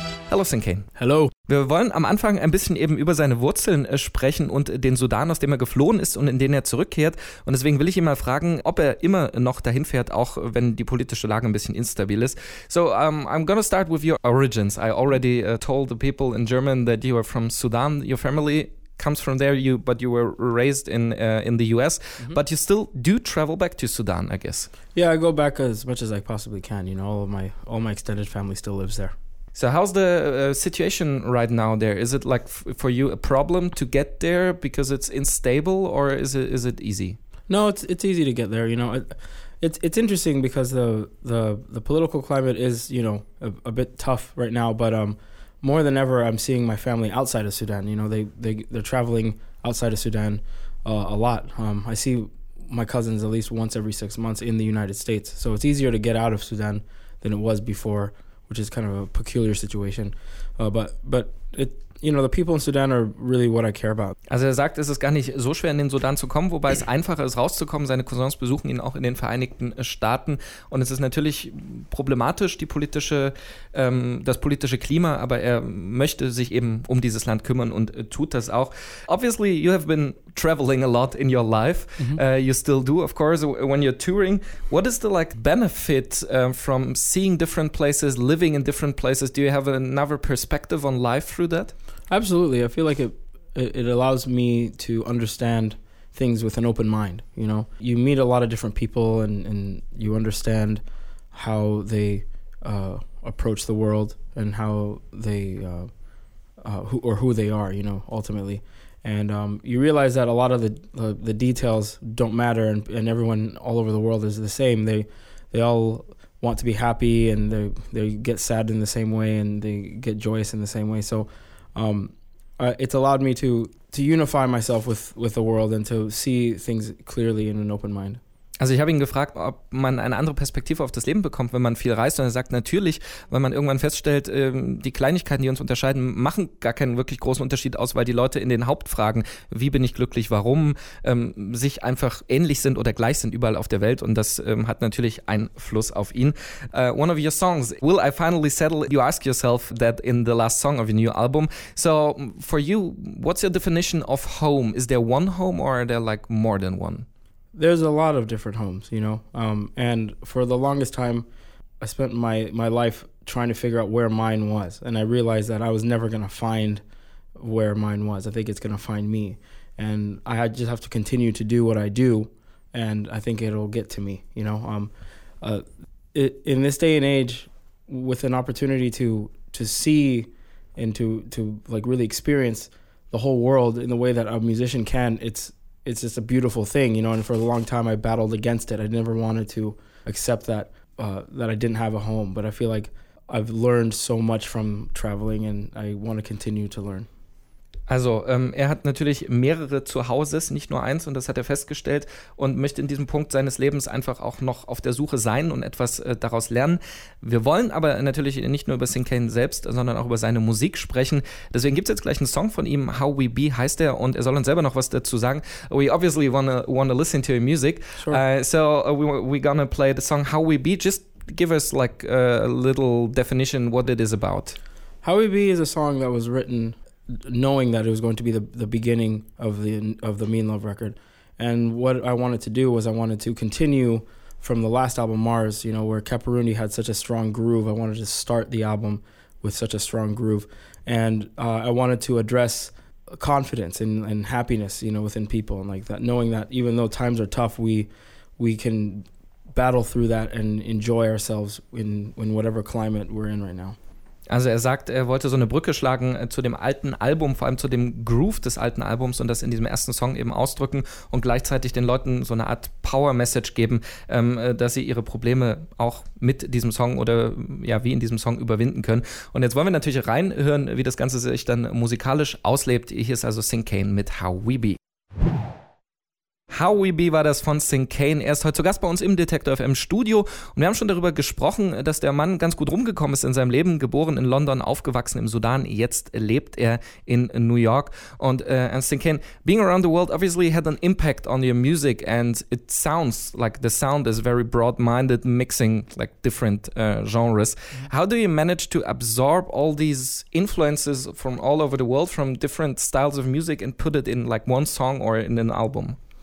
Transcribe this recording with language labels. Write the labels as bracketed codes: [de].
[de] Hallo Sin Cane. Hallo. Wir wollen am Anfang ein bisschen eben über seine Wurzeln sprechen und den Sudan, aus dem er geflohen ist und in den er zurückkehrt. Und deswegen will ich ihn mal fragen, ob er immer noch dahin fährt, auch wenn die politische Lage ein bisschen instabil ist. [en] So, I'm gonna start with your origins. I already told the people in German that you are from Sudan. Your family comes from there, but you were raised in the US. Mm-hmm. But you still do travel back to Sudan, I guess. Yeah, I go back as much as I possibly can. You know, all my extended family still lives there. So how's the situation right now there? Is it like for you a problem to get there because it's unstable, or is it easy? No, it's easy to get there. You know, it's interesting because the political climate is, you know, a bit tough right now. But more than ever, I'm seeing my family outside of Sudan. You know, they're traveling outside of Sudan a lot. I see my cousins at least once every 6 months in the United States. So it's easier to get out of Sudan than it was before, which is kind of a peculiar situation. But the people in Sudan are really what I care about. [de] Also er sagt, es ist gar nicht so schwer, in den Sudan zu kommen, wobei es einfacher ist, rauszukommen. Seine Cousins besuchen ihn auch in den Vereinigten Staaten. Und es ist natürlich problematisch, das politische Klima, aber er möchte sich eben um dieses Land kümmern und tut das auch. [en] Obviously, you have been traveling a lot in your life. Mm-hmm. You still do, of course, when you're touring. What is the benefit from seeing different places, living in different places? Do you have another perspective on life through that? Absolutely. I feel like it allows me to understand things with an open mind. You know, you meet a lot of different people and you understand how they approach the world and how they who they are, you know, ultimately. And you realize that a lot of the details don't matter, and everyone all over the world is the same. They all want to be happy, and they get sad in the same way, and they get joyous in the same way. So it's allowed me to unify myself with the world and to see things clearly in an open mind. [de] Also ich habe ihn gefragt, ob man eine andere Perspektive auf das Leben bekommt, wenn man viel reist. Und er sagt, natürlich, weil man irgendwann feststellt, die Kleinigkeiten, die uns unterscheiden, machen gar keinen wirklich großen Unterschied aus, weil die Leute in den Hauptfragen, wie bin ich glücklich, warum, sich einfach ähnlich sind oder gleich sind überall auf der Welt. Und das hat natürlich Einfluss auf ihn. [en] One of your songs, Will I Finally Settle? You ask yourself that in the last song of your new album. So for you, what's your definition of home? Is there one home or are there more than one? There's a lot of different homes, you know, and for the longest time, I spent my life trying to figure out where mine was, and I realized that I was never going to find where mine was. I think it's going to find me, and I just have to continue to do what I do, and I think it'll get to me, you know. In this day and age, with an opportunity to see and to really experience the whole world in the way that a musician can, it's just a beautiful thing, you know, and for a long time I battled against it. I never wanted to accept that that I didn't have a home, but I feel like I've learned so much from traveling and I want to continue to learn. [de] Also, er hat natürlich mehrere Zuhauses, nicht nur eins, und das hat er festgestellt und möchte in diesem Punkt seines Lebens einfach auch noch auf der Suche sein und etwas daraus lernen. Wir wollen aber natürlich nicht nur über Sin Cane selbst, sondern auch über seine Musik sprechen. Deswegen gibt es jetzt gleich einen Song von ihm, How We Be heißt er, und er soll uns selber noch was dazu sagen. [en] We obviously wanna listen to your music. Sure. So we gonna play the song How We Be. Just give us a little definition what it is about. How We Be is a song that was written knowing that it was going to be the beginning of the Mean Love record. And what I wanted to do was I wanted to continue from the last album, Mars, you know, where Caperuni had such a strong groove. I wanted to start the album with such a strong groove. And I wanted to address confidence and happiness, you know, within people, and like that, knowing that even though times are tough, we can battle through that and enjoy ourselves in whatever climate we're in right now. [de] Also er sagt, er wollte so eine Brücke schlagen zu dem alten Album, vor allem zu dem Groove des alten Albums und das in diesem ersten Song eben ausdrücken und gleichzeitig den Leuten so eine Art Power-Message geben, dass sie ihre Probleme auch mit diesem Song oder ja wie in diesem Song überwinden können. Und jetzt wollen wir natürlich reinhören, wie das Ganze sich dann musikalisch auslebt. Hier ist also Sing Kane mit How We Be. How We Be war das von Sing Kane. Er ist heute zu Gast bei uns im Detektor FM Studio und wir haben schon darüber gesprochen, dass der Mann ganz gut rumgekommen ist in seinem Leben. Geboren in London, aufgewachsen im Sudan, jetzt lebt er in New York. Und [en] Sing Kane, being around the world obviously had an impact on your music and it sounds like the sound is very broad-minded, mixing like different genres. How do you manage to absorb all these influences from all over the world, from different styles of music and put it in like one song or in an album?